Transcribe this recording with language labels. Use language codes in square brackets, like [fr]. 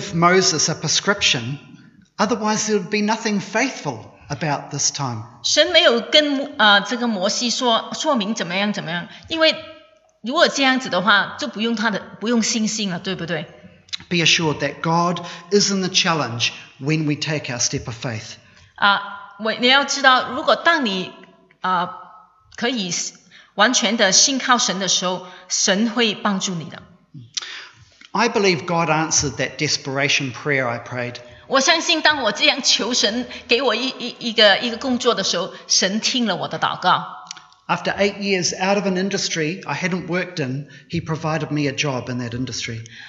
[en] didn't give Moses a prescription, otherwise there would be nothing faithful about this time. [zh] 神没有跟这个摩西说明怎么样，因为如果这样子的话，就不用信心了，对不对？ [en] Be assured that God is in the challenge when we take our step of faith. [zh] 你要知道，如果当你可以完全的信靠神的时候，神会帮助你的。 [en] I believe God answered that desperation prayer I prayed. [zh] 我相信当我这样求神给我一个工作的时候，神听了我的祷告。 [en] After 8 years out of an industry I hadn't worked in, He provided me a job in that industry.